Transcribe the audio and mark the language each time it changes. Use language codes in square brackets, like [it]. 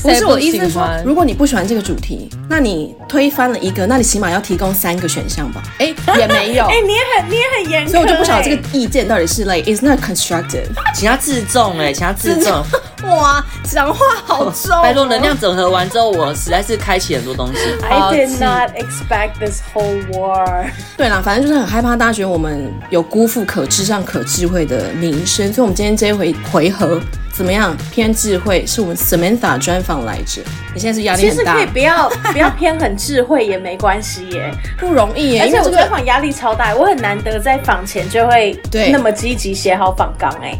[zh] 不是我意思是说，如果你不喜欢这个主题，那你推翻了一个，那你起码要提供三个选项吧？也没有。你也很严苛，所以我就不晓得这个意见到底是 [en] like is not constructive， [zh] 请他自重请他自重。哇，讲话好重、哦。拜托，能量整合完之后，我实在是开启很多东西。 [en] I did not expect this whole war。 [zh] 对啦，反正就是很害怕大学我们有辜负可智商可智慧的名声，所以我们今天这一回合怎么样偏智慧，是我们 Samantha 专访来着。你现在是压力很大，其实可以不要偏很智慧也没关系耶，不容易耶，而且我专访压力超大，我很难得在访前就会那么积极写好访纲耶。